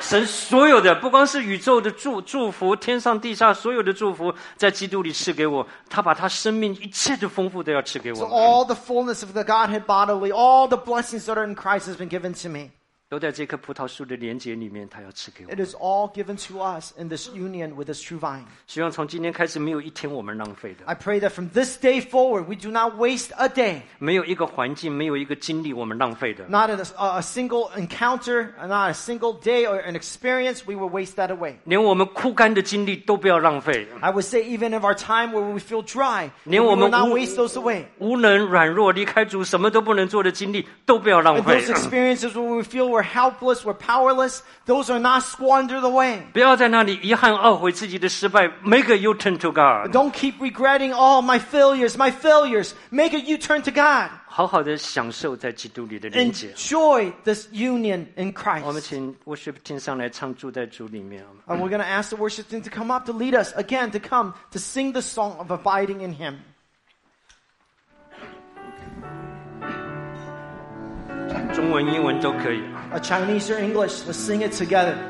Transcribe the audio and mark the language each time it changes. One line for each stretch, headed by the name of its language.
Chinese: 神所有的，不光是宇宙的祝福，天上地下所有的祝福，在基督里赐给我。他把他生命一切的丰富都要赐给我。
English: So all the fullness of the Godhead bodily, all the blessings that are in Christ has been given to me.
Chinese: 都在这棵葡萄树的连结里面，他要赐给我。
English: It is all given to us in this union with this true vine.
Chinese: 希望从今天开始，没有一天我们浪费的。
English: I pray that from this day forward, we do not waste a day.
Chinese: 没有一个环境，没有一个经历，我们浪费的。
English: Not a single encounter, not a single day or an experience, we will waste that away.
Chinese: 连我们枯干的经历都不要浪费。
English: I would say even of our time where we feel dry,
Chinese: 连我们
English: we will not waste those away.
Chinese: 无能、软弱、离开主、什么都不能做的经历都不要浪费。
English: And those experiences where we feel we're we're helpless, we're powerless, those are not squandered away.
Chinese: 不要在那里遗憾懊悔自己的失败,
English: make a U-turn to God. Don't keep regretting all my failures, make a U-turn to God.
Chinese: 好好地享受在基督里的连结。
English: Enjoy this union in Christ.
Chinese: 我们请 worship team 上来唱住在主里面。
English: And we're going to ask the worship team to come up to lead us again to come to sing the song of abiding in Him.
Chinese: 中文英文都可以
English: A Chinese or English, let's sing it together.